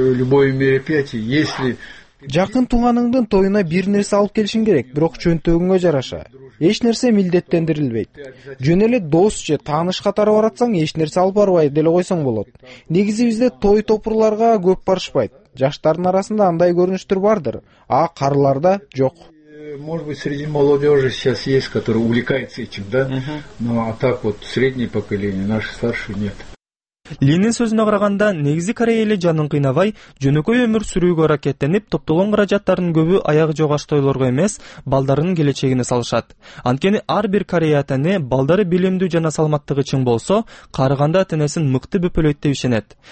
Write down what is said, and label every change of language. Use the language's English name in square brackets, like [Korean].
[Kyrgyz] Жакын тууганыңдын тоюна бир нерсе алып келишиң керек, бирок чөнтөгүңө жараша. Эч нерсе милдеттендирилбейт. Жөн эле дос же тааныш катары баратсаң, эч нерсе алып барбай деле койсоң болот. Негизи бизде той топурларга көп барышпайт. Жаштардын арасында андай көрүнүштөр бардыр, а карыларда жок. [Russian] Может быть, среди молодежи сейчас есть, который увлекается этим, да? Но а так вот среднее поколение, наши старшие нет. [Kyrgyz] Линин сөзүнө караганда, негизи Корея эли жанын кыйнабай, жөнөкөй өмүр сүрүүгө аракеттенип, топтолгон каражаттарынын көбү аягы жок аштойлорго эмес, балдарынын келечегине салышат. Анткени ар бир Корея атаны балдары билимдүү жана саламаттыгы чың болсо, карыганда атенесин мыкты бөпөлөйт деп ишенет.